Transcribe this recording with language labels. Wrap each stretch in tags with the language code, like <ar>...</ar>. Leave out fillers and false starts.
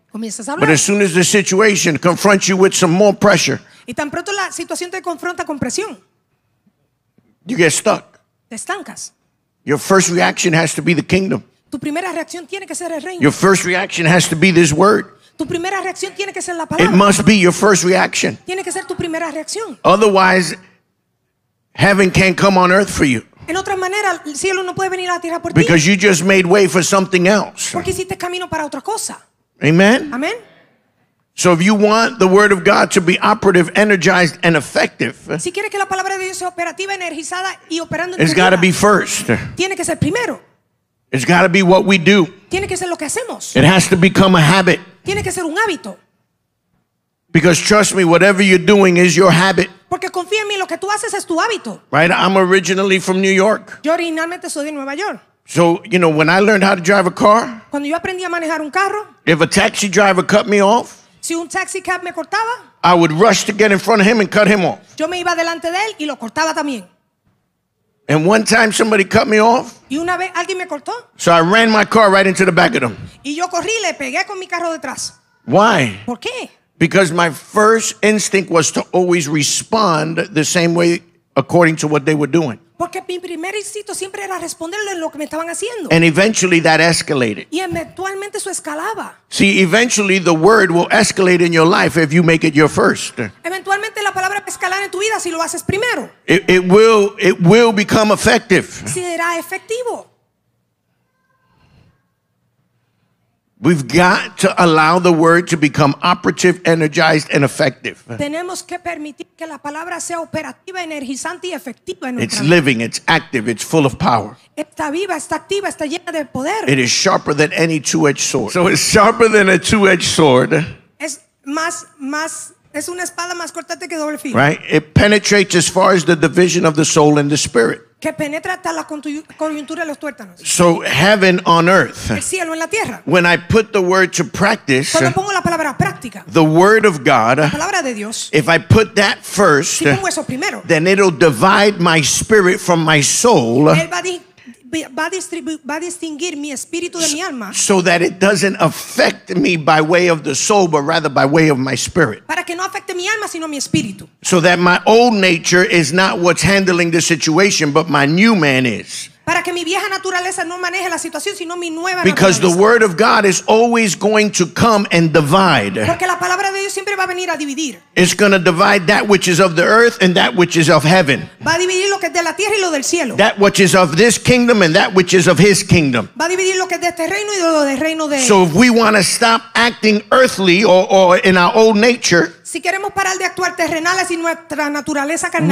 <en>But as soon as the situation confronts you with some more pressure,</en> <es>y tan pronto la situación te confronta con presión,</es> <en>you get stuck.</en> <es>Te estancas.</es> <en>Your first reaction has to be the kingdom.</en> <es>Tu primera reacción tiene que ser el reino.</es> <en>Your first reaction has to be this word.</en> <es>Tu primera reacción tiene que ser la palabra.</es> <en>It must be your first reaction.</en> <es>Tiene que ser tu primera reacción.</es> <en>Otherwise, heaven can't come on earth for you.</en> <es>En otra manera, el cielo no puede venir a la tierra por ti.</es> <en>Because you just made way for something else.</en> <es>Porque hiciste camino para otra cosa.</es> <en>Amen.</en> <es>Amen.</es> <en>So if you want the word of God to be operative, energized, and effective,</en> <es>si quieres que la palabra de Dios sea operativa, energizada y operando,</es> <en>it's got to be first.</en> <es>Tiene que ser primero.</es> <en>It's got to be what we do.</en> <es>Tiene que ser lo que hacemos.</es> <en>It has to become a habit.</en> <es>Tiene que ser un hábito.</es> <en>Because trust me, whatever you're doing is your habit.</en> <es>Porque confía en mí, lo que tú haces es tu hábito.</es> <en>Right? I'm originally from New York.</en> <es>Yo originalmente soy de Nueva York.</es> <en>So, you know, when I learned how to drive a car,</en> <es>cuando yo aprendí a manejar un carro,</es> <en>if a taxi driver cut me off,</en> <es>si un taxi cab me cortaba,</es> <en>I would rush to get in front of him and cut him off.</en> <es>Yo me iba delante de él y lo cortaba también.</es> <en>And one time somebody cut me off,</en> <es>y una vez alguien me cortó,</es> <en>so I ran my car right into the back of them.</en> <es>Y yo corrí, le pegué con mi carro detrás.</es> <en>Why?</en> <es>¿Por qué?</es> <en>Because my first instinct was to always respond the same way according to what they were doing.</en> <es>Porque mi primer instinto siempre era responderle lo que me estaban haciendo.</es> <en>And eventually that escalated.</en> <es>Y eventualmente eso escalaba.</es> <en>See, eventually the word will escalate in your life if you make it your first.</en> <es>Eventualmente la palabra va a escalar en tu vida si lo haces primero.</es> <en>It will become effective.</en> <es>Será efectivo.</es> <en>We've got to allow the word to become operative, energized, and effective.</en> <es>Tenemos que permitir que la palabra sea operativa, energizante y efectiva.</es> <en>It's living, it's active, it's full of power.</en> <es>Está viva, está activa, está llena de poder.</es> <en>It is sharper than any two-edged sword. So it's sharper than a two-edged sword.</en> <es>Es más es una espada más cortante que doble filo.</es> <en>Right? It penetrates as far as the division of the soul and the spirit.</en> <es>Que penetra hasta la coyuntura de los tuétanos.</es> <en>So heaven on earth.</en> <es>El cielo en la tierra.</es> <en>When I put the word to practice.</en> <es>Cuando pongo la palabra a práctica.</es> <en>The word of God.</en> <es>La palabra de Dios.</es> <en>If I put that first.</en> <es>Si pongo eso primero.</es> <en>Then it'll divide my spirit from my soul.</en> <es>Va a distinguir mi espíritu de mi alma.</es> <en>So that it doesn't affect me by way of the soul, but rather by way of my spirit.</en> <es>Para que no afecte mi alma, sino mi espíritu.</es> <en>So that my old nature is not what's handling the situation, but my new man is.</en> <es>Para que mi vieja naturaleza no maneje la situación, sino mi nueva naturaleza.</es> <en>Because the word of God is always going to come and divide.</en> <es>Porque la palabra de Dios siempre va a venir a dividir.</es> <en>It's going to divide that which is of the earth and that which is of heaven.</en> <es>Va a dividir lo que es de la tierra y lo del cielo.</es> <en>That which is of this kingdom and that which is of his kingdom.</en> <es>Va a dividir lo que es de este reino y lo del reino de él.</es> <en>So if we want to stop acting earthly or in our old nature,</en> <es>si queremos parar de actuar terrenales y nuestra naturaleza carnal,</es>